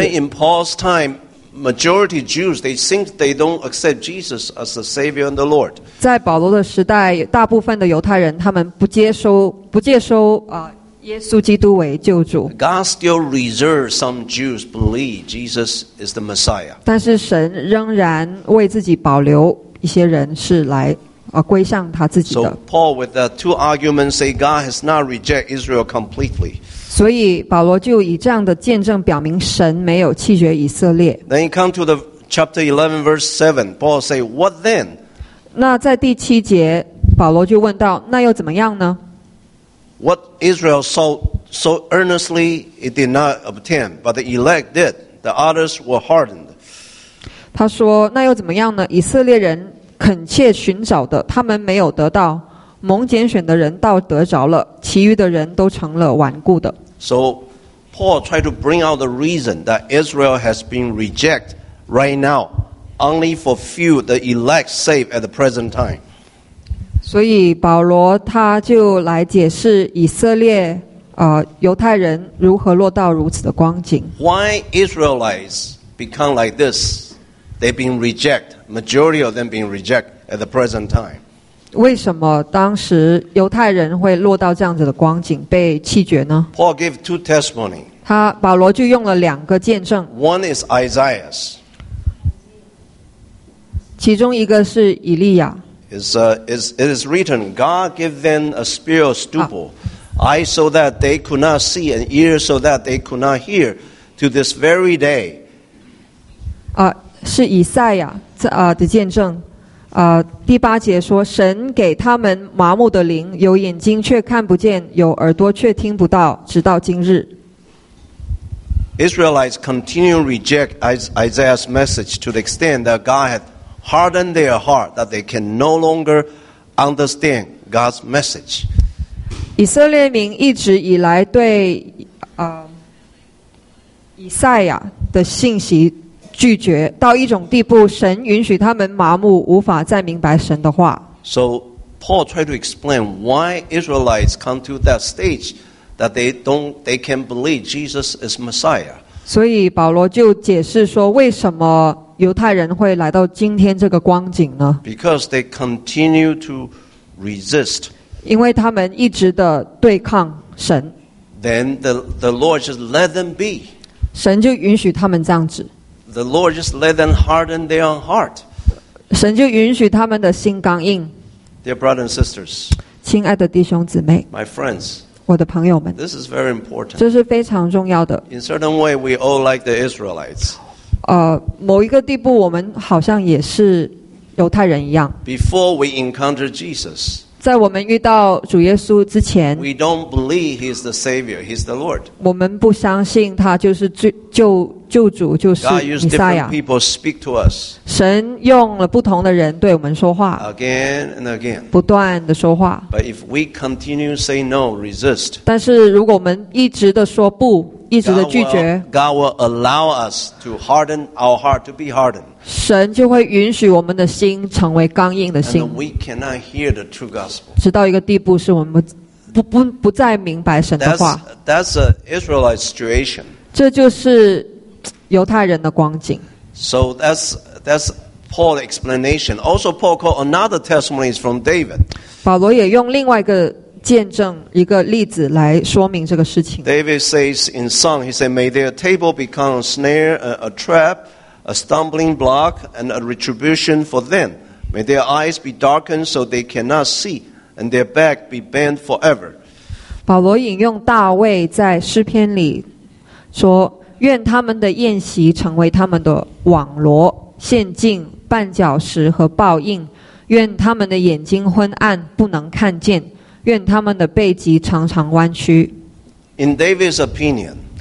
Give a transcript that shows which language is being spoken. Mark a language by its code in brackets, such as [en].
[en] Even in Paul's time Majority Jews They think they don't accept Jesus As the Savior and the Lord [zh] 在保罗的时代大部分的犹太人他们不接收耶稣基督为救主 [en] God still reserves some Jews Believe Jesus is the Messiah [zh] 但是神仍然为自己保留一些人是来归向他自己的 [en] So Paul with the two arguments say God has not rejected Israel completely [zh] 所以保罗就以这样的见证表明神没有弃绝以色列 [en] Then you come to the chapter 11 verse 7 Paul say what then [zh] 那在第七节保罗就问到那又怎么样呢 [en] What Israel so earnestly it did not obtain but the elect did the others were hardened [zh] 他说那又怎么样呢以色列人恳切寻找的他们没有得到蒙拣选的人倒得着了其余的人都成了顽固的 [en] So Paul tried to bring out the reason that Israel has been rejected right now only for few the elect saved at the present time [zh] 所以保罗他就来解释以色列犹太人如何落到如此的光景 [en] Why Israelites become like this They've been rejected majority of them being rejected at the present time. [zh] 为什么当时犹太人会落到这样子的光景被弃绝呢 [en] ?Paul gave two testimonies. [zh] 他保罗就用了两个见证。 [en] One is Isaiah's. [zh] 其中一个是以利亚。 [en] It is written, God gave them a spiritual stupor, eyes so that they could not see, and ears so that they could not hear, to this very day. [zh] 是以赛亚的见证。第八节说，神给他们麻木的灵，有眼睛却看不见，有耳朵却听不到，直到今日。 [en] Israelites continue to reject Isaiah's message to the extent that God had hardened their heart, that they can no longer understand God's message. [zh] 以色列民一直以来对以赛亚的信息拒绝到一种地步，神允许他们麻木，无法再明白神的话。 [en] So Paul tried to explain why Israelites come to that stage that they can believe Jesus is Messiah. [zh] 所以保罗就解释说，为什么犹太人会来到今天这个光景呢 [en] ？Because they continue to resist. [zh] 因为他们一直的对抗神。 [en] Then the Lord just let them be. [zh] 神就允许他们这样子。 [en] The Lord just let them harden their own heart. [zh] 神就允许他们的心刚硬。 [en] Dear brothers and sisters, [zh] 亲爱的弟兄姊妹 [en] my friends, [zh] 我的朋友们 [en] this is very important. [zh] 这是非常重要的。 [en] In certain way, we all like the Israelites. [zh] 某一个地步，我们好像也是犹太人一样。 [en] Before we encounter Jesus, [zh] 在我们遇到主耶稣之前 [en] we don't believe he is the Savior, he is the Lord. [zh] 我们不相信他就是救救主就是弥赛亚。 [en] God used different people speak to us. [zh] 神用了不同的人对我们说话。 [en] Again and again. [zh] 不断的说话。 [en] But if we continue to say no, resist. [zh] 但是如果我们一直的说不，一直的拒绝。 [en] God will allow us to harden our heart to be hardened. [zh] 神就会允许我们的心成为刚硬的心。 [en] And we cannot hear the true gospel. [zh] 直到一个地步是我们不再明白神的话。 [en] That's an Israelite situation. [zh] 这就是犹太人的光景。 [en] So that's Paul's explanation. Also, Paul called another testimony from David. [zh] 保罗也用另外一个见证一个例子来说明这个事情。 [en] David says in song, he said, "May their table become a snare, a trap, a stumbling block, and a retribution for them. May their eyes be darkened so they cannot see, and their back be bent forever." [zh] 保罗引用大卫在诗篇里说。愿他们的宴席成为他们的网罗陷阱绊脚石和报应愿他们的眼睛昏暗不能看见愿他们的背脊常常弯曲 [en] In David's opinion